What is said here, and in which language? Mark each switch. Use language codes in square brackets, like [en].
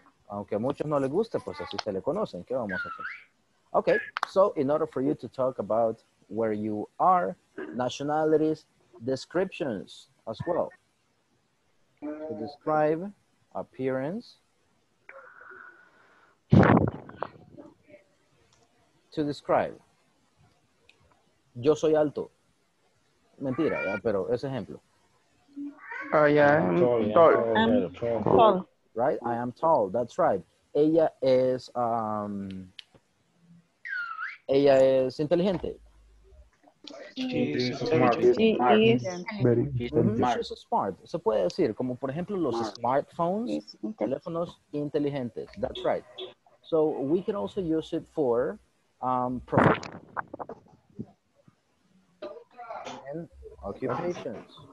[es] Aunque a muchos no le guste, pues así se le conocen. ¿Qué vamos a hacer? [en] Okay, so in order for you to talk about where you are, nationalities, descriptions as well. To describe appearance. [es] To describe. Yo soy alto. Mentira, ¿eh? Pero es ejemplo. [en] I am tall. right? I am tall. That's right. [es] Ella es, ella es inteligente. [en] She is smart. [es] Se puede decir, como por ejemplo, los smart. Smartphones, teléfonos inteligentes. [en] That's right. So we can also use it for and occupations.